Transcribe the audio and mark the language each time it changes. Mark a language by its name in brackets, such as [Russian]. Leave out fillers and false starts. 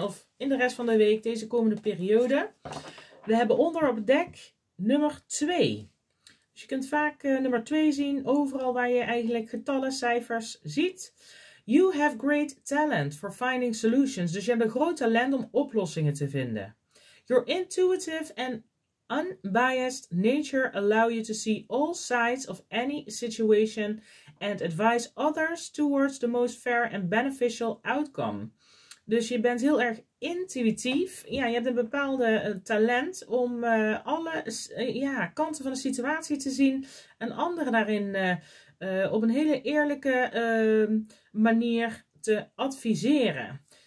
[Dutch] Of in de rest van de week, deze komende periode. We hebben onder op dek nummer 2. Dus je kunt vaak nummer 2 zien, overal waar je eigenlijk getallen, cijfers ziet. [English] You have great talent for finding solutions. [Dutch] Dus je hebt een groot talent om oplossingen te vinden. [English] Your intuitive and unbiased nature allow you to see all sides of any situation and advise others towards the most fair and beneficial outcome. [Dutch] Dus je bent heel erg intuïtief. Ja, je hebt een bepaalde talent om alle kanten van de situatie te zien. En anderen daarin op een hele eerlijke manier te adviseren.